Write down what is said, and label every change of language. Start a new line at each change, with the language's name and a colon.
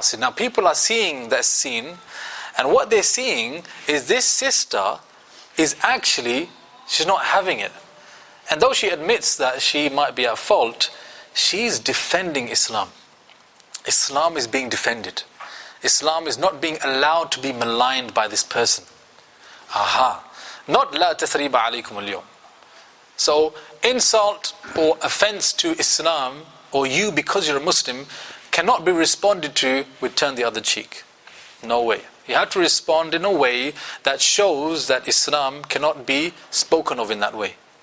English: So now people are seeing that scene, and what they're seeing is this sister is actually, she's not having it. And though she admits that she might be at fault, she's defending Islam. Islam is being defended. Islam is not being allowed to be maligned by this person. Aha. Not
Arabic: لا تثريب عليكم اليوم.
English: So insult or offense to Islam or you because you're a Muslim cannot be responded to with turn the other cheek. No way. You have to respond in a way that shows that Islam cannot be spoken of in that way.